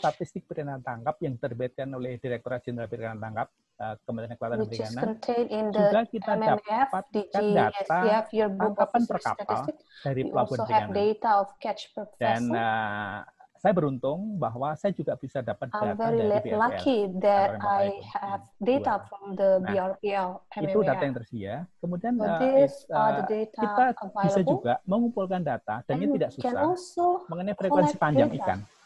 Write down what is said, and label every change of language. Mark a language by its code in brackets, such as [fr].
[id] Statistik perikanan tangkap yang terbitkan oleh Direktorat Jenderal Perikanan Tangkap Kementerian Kelautan dan Perikanan. Juga kita dapat data tangkapan per kapal dari pelabuhan perikanan. Dan saya beruntung bahwa saya juga bisa dapat data dari BRPL. [en] I'm very lucky that I have data from the BRPL. [id] Nah, itu data yang tersedia. Kemudian kita bisa juga mengumpulkan data dan ini tidak susah mengenai frekuensi panjang ikan.